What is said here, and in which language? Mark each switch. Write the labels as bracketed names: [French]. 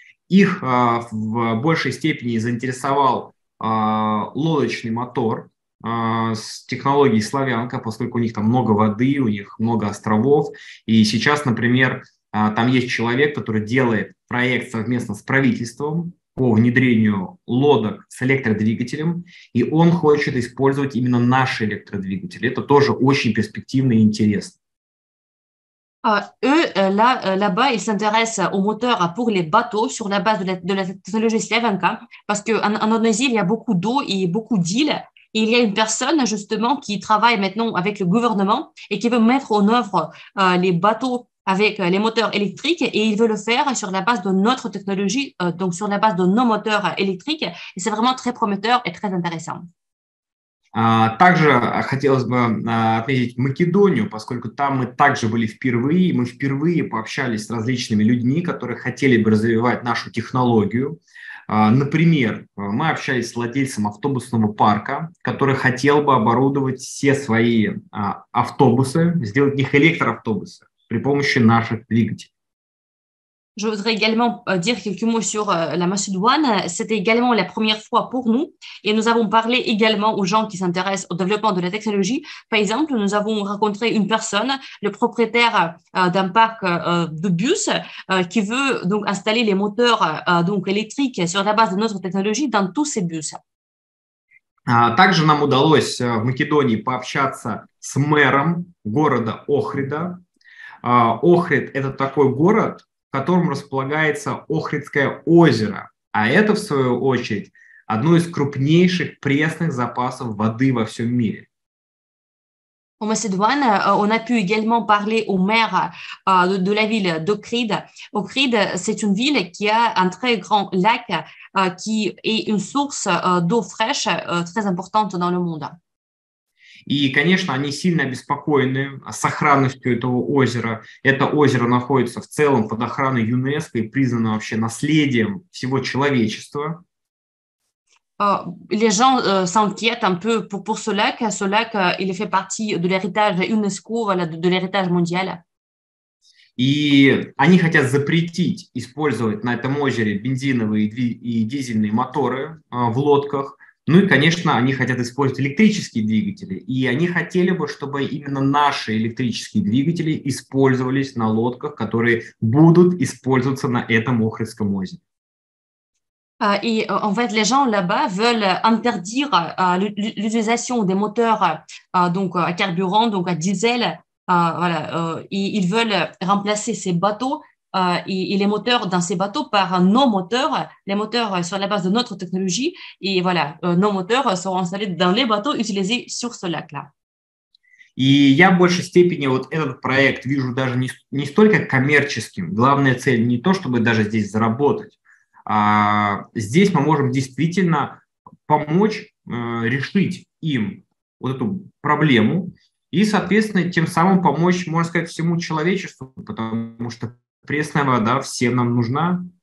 [Russian] Их в большей степени заинтересовал лодочный мотор с технологией «Славянка», поскольку у них там много воды, у них много островов. И сейчас, например, там есть человек, который делает проект совместно с правительством по внедрению лодок с электродвигателем, и он хочет использовать именно наши электродвигатели. Это тоже очень перспективно и интересно. [French] Eux, là-bas, ils s'intéressent aux moteurs pour les bateaux sur la base de la technologie Slavanka, parce qu'en Indonésie, il y a beaucoup d'eau et beaucoup d'îles. Il y a une personne, justement, qui travaille maintenant avec le gouvernement et qui veut mettre en œuvre les bateaux avec les moteurs électriques et il veut le faire sur la base de notre technologie, donc sur la base de nos moteurs électriques. Et c'est vraiment très prometteur et très intéressant. [Russian] Также хотелось бы отметить Македонию, поскольку там мы также были впервые, мы впервые пообщались с различными людьми, которые хотели бы развивать нашу технологию. Например, мы общались с владельцем автобусного парка, который хотел бы оборудовать все свои автобусы, сделать их электроавтобусы при помощи наших двигателей. [French] Je voudrais également dire quelques mots sur la Macédoine. C'était également la première fois pour nous et nous avons parlé également aux gens qui s'intéressent au développement de la technologie. Par exemple, nous avons rencontré une personne, le propriétaire d'un parc de bus qui veut donc installer les moteurs donc électriques sur la base de notre technologie dans tous ses bus. [Russian] Также нам удалось в Македонии пообщаться с мэром города Охрида. Охрид – это такой город, в котором располагается Охридское озеро, а это, в свою очередь, одно из крупнейших пресных запасов воды во всем мире. [French] En Macédoine, on a pu également parler au maire de la ville d'Ohrid. Ohrid, c'est une ville qui a un très grand lac qui est une source d'eau fraîche très importante dans le monde. [Russian] И, конечно, они сильно обеспокоены сохранностью этого озера. Это озеро находится в целом под охраной ЮНЕСКО и признано вообще наследием всего человечества. [French] Les gens s'inquiètent un peu pour ce lac. Ce lac, il fait partie de l'héritage UNESCO, voilà, de l'héritage mondial. [Russian] И они хотят запретить использовать на этом озере бензиновые и дизельные моторы в лодках. Ну и, конечно, они хотят использовать электрические двигатели, и они хотели бы, чтобы именно наши электрические двигатели использовались на лодках, которые будут использоваться на этом Охридском озере. [French] Et en fait, les gens là-bas veulent interdire l'utilisation des moteurs donc à carburant, donc à diesel. Voilà, et ils veulent remplacer ces bateaux et les moteurs dans ces bateaux par nos moteurs, les moteurs sur la base de notre technologie. Et voilà, nos moteurs seront installés dans les bateaux utilisés sur ce lac-là. [Russian] И я в большей степени вот этот проект вижу даже не столько коммерческим. Главная цель не то, чтобы даже здесь заработать. А здесь мы можем действительно помочь решить им вот эту проблему и, соответственно, тем самым помочь, можно сказать, всему человечеству, потому что пресная вода всем нам нужна.